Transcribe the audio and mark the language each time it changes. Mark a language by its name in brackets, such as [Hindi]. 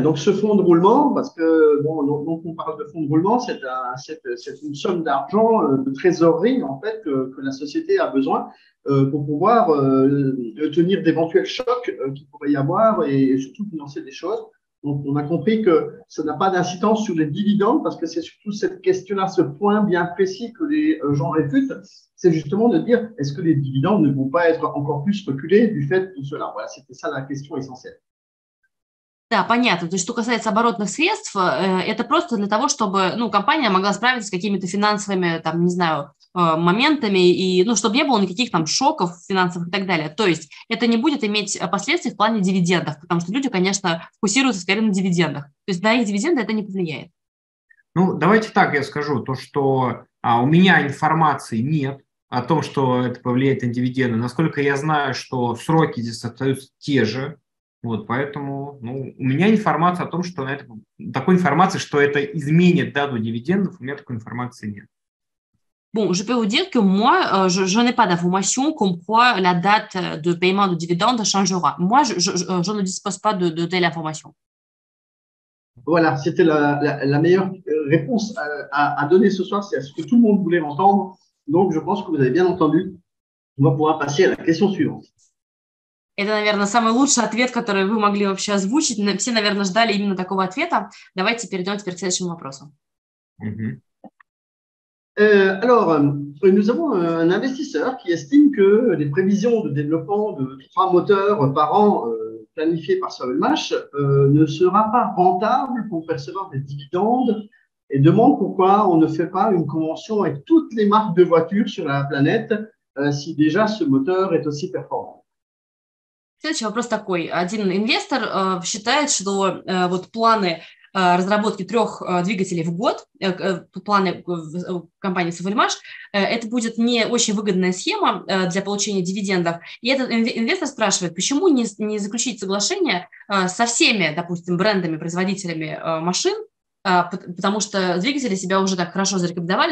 [French] Donc, ce fonds de roulement, parce que, bon, donc on parle de fonds de roulement, c'est une somme d'argent, de trésorerie, en fait, que la société a besoin pour pouvoir tenir d'éventuels chocs qu'il pourrait y avoir et surtout financer des choses. Donc, on a compris que ça n'a pas d'incidence sur les dividendes, parce que c'est surtout cette question-là, ce point bien précis que les gens réfutent, c'est justement de dire, est-ce que les dividendes ne vont pas être encore plus reculés du fait de cela? Voilà, c'était ça la question essentielle. [Russian] Да, понятно. То есть, что касается оборотных средств, это просто для того, чтобы, ну, компания могла справиться с какими-то финансовыми, там, не знаю, моментами, и, ну, чтобы не было никаких там шоков финансовых и так далее. То есть, это не будет иметь последствий в плане дивидендов, потому что люди, конечно, фокусируются скорее на дивидендах. То есть, на их дивиденды это не повлияет. Ну, давайте так я скажу, то, что у меня информации нет о том, что это повлияет на дивиденды. Насколько я знаю, что сроки здесь остаются те же. Вот, поэтому, ну, у меня информация о том, что на это, такой информации, что это изменит дату дивидендов, у меня такой информации нет. [French] Bon, je peux vous dire que moi, je n'ai pas d'information comme quoi la date de paiement de dividendes changera. Moi, je ne dispose pas de telle information. Voilà, c'était la meilleure réponse à donner ce soir. C'est ce que tout le monde voulait entendre. Donc, je pense que vous avez bien entendu. On va pouvoir passer à la question suivante. [Russian] Это, наверное, самый лучший ответ, который вы могли вообще озвучить. Все, наверное, ждали именно такого ответа. Давайте перейдем теперь к следующему вопросу. [French] Alors, nous avons un investisseur qui estime que les prévisions de développement de 3 moteurs par an planifiés par SolMash ne sera pas rentable pour percevoir des dividendes et demande pourquoi on ne fait pas une convention avec toutes les marques de voitures sur la planète si déjà ce moteur est aussi performant. [Russian] Следующий вопрос такой. Один инвестор считает, что вот планы разработки 3 двигателей в год, планы компании SolMash, это будет не очень выгодная схема для получения дивидендов. И этот инвестор спрашивает, почему не заключить соглашение со всеми, допустим, брендами, производителями машин, потому что двигатели себя уже так хорошо зарекомендовали.